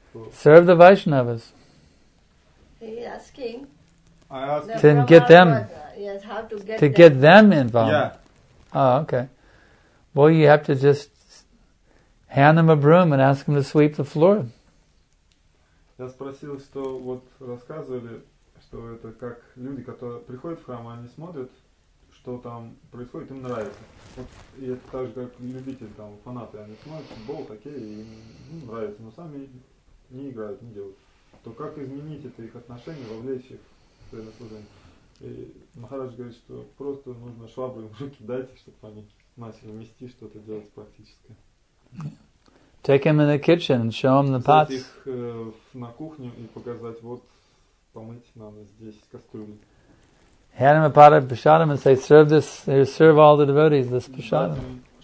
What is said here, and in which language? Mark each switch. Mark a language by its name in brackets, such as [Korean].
[English] Serve the Vaishnavas. He's asking. I ask to get them. Yes, how to get them. To get them involved. Yeah. Oh, okay. Well, you have to just hand them a broom and ask them to sweep the floor. [Russian] Я спросил, что вот рассказывали, что это как люди, которые приходят в храм, они смотрят, что там происходит, им нравится. Вот, и это так же, как любители, там, фанаты, они смотрят, футбол, хоккей, и им, ну, нравится, но сами не играют, не делают. То как изменить это их отношение, вовлечь их в это служение? И Махарадж говорит, что просто нужно швабру им в руки дать, чтобы они начали мести что-то делать практическое. [English] Take them in the kitchen and show them the pots. [Russian] Взять их на кухню и показать, вот, помыть надо здесь кастрюлю. [English] Hand him a pot of prasadam and say, serve this, serve all the devotees this prasadam.